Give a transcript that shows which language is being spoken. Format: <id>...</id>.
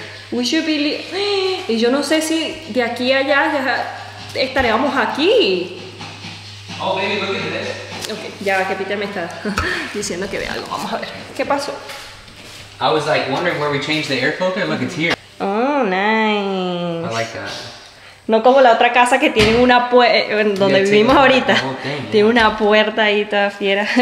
<en>We should be</en> <es>y yo no sé si de aquí a allá ya estaremos aquí.</es> <en>Oh, baby, look at this.</en> <es>Okay, ya que Peter me está diciendo que vea algo. Vamos a ver. ¿Qué pasó?</es> <en>I was like wondering where we changed the air filter. Look, it's here. Oh, nice. I like that.</en> <es>No como la otra casa que tiene una puerta, donde vivimos ahorita.</es> <en>Thing, yeah.</en> <es>Tiene una puerta ahí toda fiera.</es>